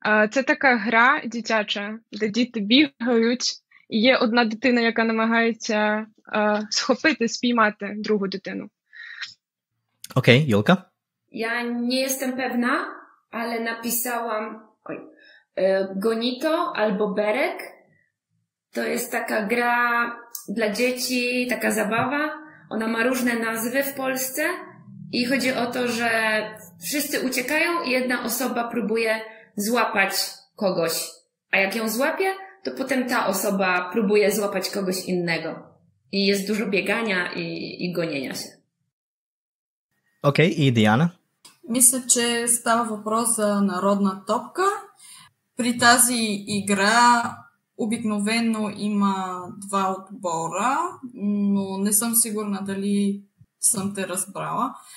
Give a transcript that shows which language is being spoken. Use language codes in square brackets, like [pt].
[uk] Це така гра дитяча, де діти бігають, і є одна дитина, яка намагається схопити, спіймати другу дитину. [pl] Okej, okay, Julka? Ja nie jestem pewna, ale napisałam gonito albo berek. To jest taka gra dla dzieci, taka zabawa. Ona ma różne nazwy w Polsce i chodzi o to, że wszyscy uciekają i jedna osoba próbuje złapać kogoś. A jak ją złapie, to potem ta osoba próbuje złapać kogoś innego. I jest dużo biegania i gonienia się. Ok, i Diana? [bg] Мисля, че става въпрос за народна топка. При тази игра обикновено има два отбора, но не съм сигурна дали съм те разбрала.